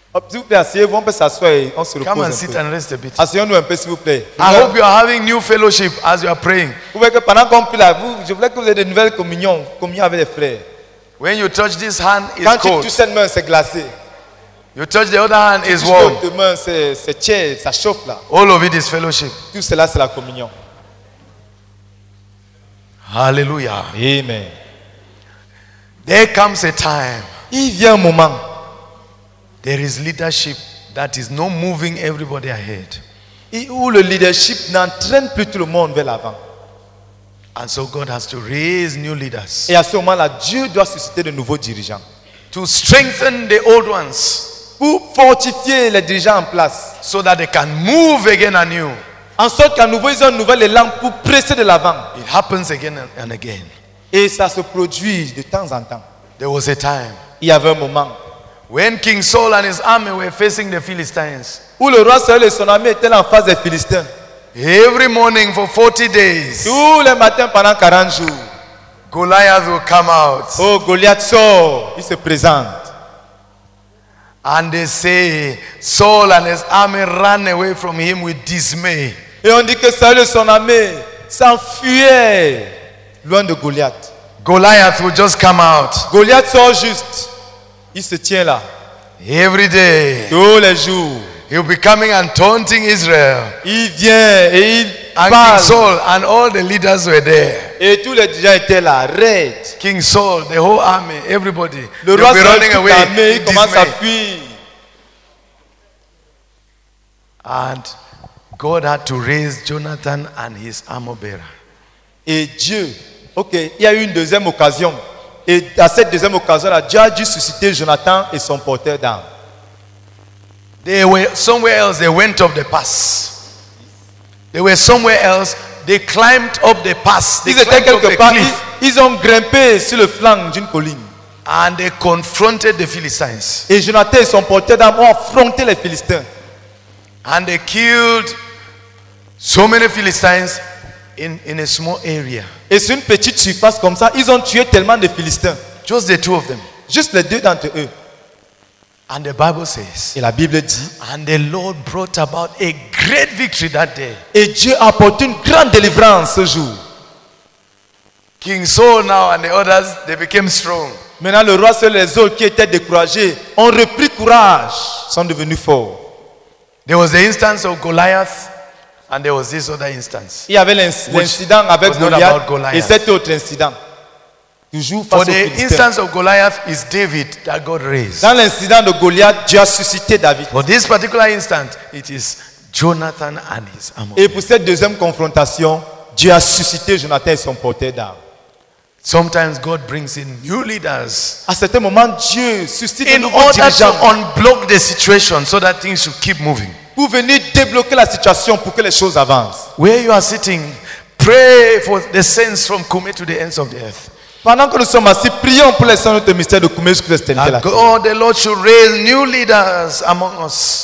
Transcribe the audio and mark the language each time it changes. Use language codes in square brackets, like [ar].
[fr] S'il vous plaît, asseyez-vous, on peut s'asseoir et on se repose. [en] Come and sit and rest a bit. [fr] Asseyons-nous un peu, s'il vous plaît. [en] I hope you are having new fellowship as you are praying. [fr] Vous voyez que pendant qu'on prie là, je voulais que vous ayez de nouvelles communions avec les frères. [en] When you touch this hand, it's [fr] quand [en] cold. [fr] Tu touches cette main, c'est glacé. [en] You touch the other hand, it's warm. [fr] Tu touches l'autre main, c'est chaud, ça chauffe là. [en] All of it is fellowship. [fr] Tout cela, c'est la communion. [en] Hallelujah. Amen. There comes a time. [fr] Il vient un moment. [en] There is leadership that is not moving everybody ahead. [fr] Et où le leadership n'entraîne plus tout le monde vers l'avant. [en] And so God has to raise new leaders. [fr] Et à ce moment-là, Dieu doit susciter de nouveaux dirigeants. [en] To strengthen the old ones. [fr] Pour fortifier les dirigeants en place. [en] So that they can move again anew. [fr] En sorte qu'à nouveau, ils ont un nouvel élan pour presser de l'avant. [en] It happens again and again. [fr] Et ça se produit de temps en temps. [en] There was a time. [fr] Il y avait un moment. [en] When King Saul and his army were facing the Philistines. [fr] Où le roi Saul et son ami étaient en face des Philistins. [en] Every morning for 40 days. [fr] Tous les matins pendant 40 jours. [en] Goliath will come out. [fr] Oh, Goliath sort. Il se présente. [en] And they say Saul and his army ran away from him with dismay. [fr] Et on dit que Saul et son ami s'enfuyaient loin de Goliath. [en] Goliath will just come out. [fr] Goliath sort juste. Il se tient là. [en] Every day. [fr] Tous les jours. [en] He'll be coming and taunting Israel. [fr] Il vient et il [en] and [fr] parle. [en] King Saul and all the leaders were there. [fr] Et tous les gens étaient là. Red. [en] King Saul, the whole army, everybody. [fr] Le roi Saul, [en] running away. [fr] Armée, il commence à fuir. [en] And God had to raise Jonathan and his armor bearer. [fr] Et Dieu, ok, il y a eu une deuxième occasion. Et à cette deuxième occasion-là, Dieu a dû susciter Jonathan et son porteur d'armes. [en] They were somewhere else. They went up the pass. They were somewhere else. They climbed up the pass. [fr] Ils étaient quelque part. Ils ont grimpé sur le flanc d'une colline. [en] And they confronted the Philistines. [fr] Et Jonathan et son porteur d'armes ont affronté les Philistins. [en] And they killed so many Philistines in a small area. [fr] Et sur une petite surface comme ça, ils ont tué tellement de Philistins. [en] Just the two of them. [fr] Juste les deux d'entre eux. [en] And the Bible says, [fr] et la Bible dit, [en] and the Lord brought about a great victory that day. [fr] Et Dieu a apporté une grande délivrance ce jour. [en] King Saul now and the others, they became strong. [fr] Maintenant le roi Saul et les autres qui étaient découragés ont repris courage, sont devenus forts. [en] There was the instance of Goliath and there was this other instance. [fr] Il y avait l'incident avec Goliath, et cet autre incident. [en] For the instance of Goliath is David that God raised. [fr] Dans l'incident de Goliath, Dieu a suscité David. [en] For this particular instance, it is Jonathan and his armor. [fr] Et pour cette deuxième confrontation, Dieu a suscité Jonathan et son porteur d'armes. [en] Sometimes God brings in new leaders. [fr] À certains moments, Dieu suscite [en] in order to unblock the situation so that things should keep moving. [fr] Pour venir débloquer la situation pour que les choses avancent. [en] Where you are sitting, pray for the saints from Kume to the ends of the earth. [fr] Pendant que nous sommes assis, prions pour les saints de notre ministère de Kume jusqu'à l'éternité. [en] God, the Lord should raise new leaders among us.